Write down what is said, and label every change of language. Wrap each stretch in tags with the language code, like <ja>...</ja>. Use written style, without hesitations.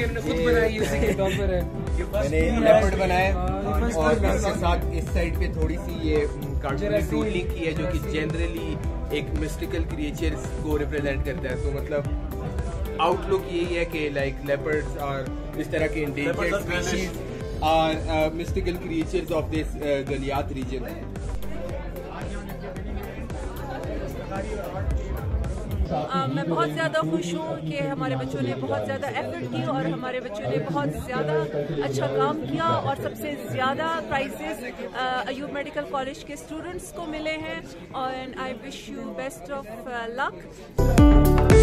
<hi>इन्होंने खुद बनाई है, उसी के टॉप पर है। मैंने लेपर्ड बनाया और इसके साथ इस साइड पे थोड़ी सी ये कार्टून डूडलिंग की है जो कि जनरली एक मिस्टिकल क्रिएचर को रिप्रेजेंट करता है। तो मतलब आउटलुक यही है कि लाइक लेपर्ड्स और इस तरह के endangered species</hi> <en>are mystical creatures of this Galyat region.</en> <hi>मैं बहुत ज्यादा खुश हूं कि हमारे बच्चों ने बहुत ज्यादा एफर्ट की और हमारे बच्चों ने बहुत ज्यादा अच्छा काम किया और सबसे ज्यादा प्राइजेस अयूब मेडिकल कॉलेज के स्टूडेंट्स को मिले हैं</hi> <en>And I wish you best of luck.</en>